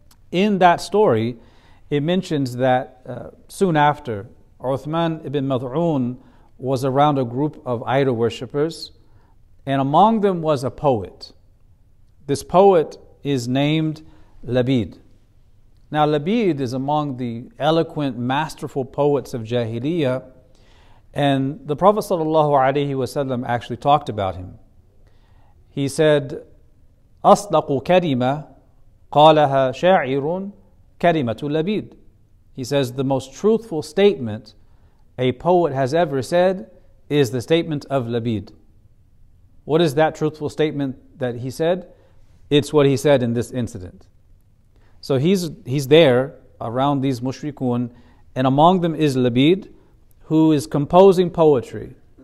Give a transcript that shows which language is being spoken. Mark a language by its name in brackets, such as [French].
[English] In that story, it mentions that soon after, Uthman ibn Mad'un was around a group of idol worshippers, and among them was a poet. This poet is named Labid. Now, Labid is among the eloquent, masterful poets of Jahiliyyah, and the Prophet sallallahu alaihi wasallam actually talked about him. He said, [Arabic] "أصدق كلمة قالها شاعر كلمة لبيد." [English] He says the most truthful statement a poet has ever said is the statement of Labid. What is that truthful statement that he said? It's what he said in this incident. So he's there around these mushrikun, and among them is Labid, who is composing poetry.